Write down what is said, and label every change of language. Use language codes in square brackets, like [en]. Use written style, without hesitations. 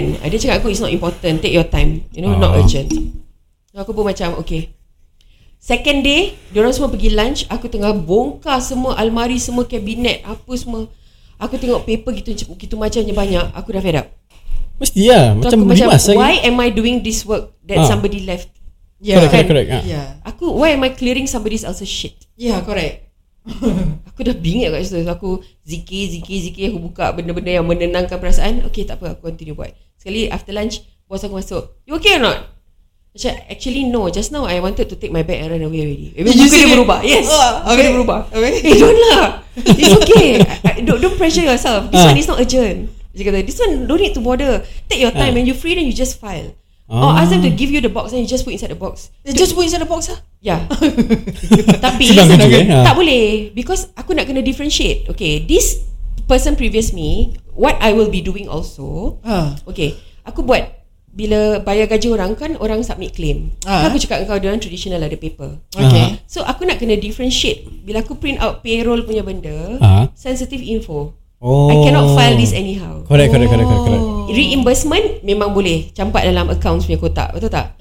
[ms] Dia cakap aku, [en] it's not important, take your time, you know, not urgent. [ms] So aku pun macam okay. [en] Second day, [ms] diorang semua pergi lunch. Aku tengah bongkar semua almari, semua kabinet, apa semua. Aku tengok paper gitu macamnya banyak. Aku dah fed up. Mesti ya, [en] so [ms] macam rimas. [en] Why am I doing this work that somebody left? Yeah, correct. Aku, why am I clearing somebody else's shit? Yeah, correct. [ms] Aku dah bingit kat situ. Aku zikir. Aku buka benda-benda yang menenangkan perasaan. Okay, tak apa, aku continue buat. Sekali after lunch, bos aku masuk, [en] you okay or not? Macam, actually no, just now I wanted to take my bag and run away already. [ms] Muka dia berubah. Yes, muka dia berubah. Eh, [en] don't lah, it's okay. Don't pressure yourself. This one is not urgent. Dia kata, this one don't need to bother. Take your time. When you free, then you just file. Or ask them to give you the box, then you just put inside the box. Just put inside the box lah. [ms] Yeah. Tapi tak boleh, because aku nak kena differentiate. [en] Okay, this person previous me, what I will be doing also. [ms] Okay, aku buat, bila bayar gaji orang kan, orang submit claim. Aku cakap dengan kau, dia orang traditional lah, ada paper. [en] So [ms] aku nak kena [en] differentiate. Bila aku print out payroll punya benda, sensitive info, I cannot file this anyhow. Correct. [ms] Reimbursement memang boleh campak dalam accounts punya kotak, betul tak?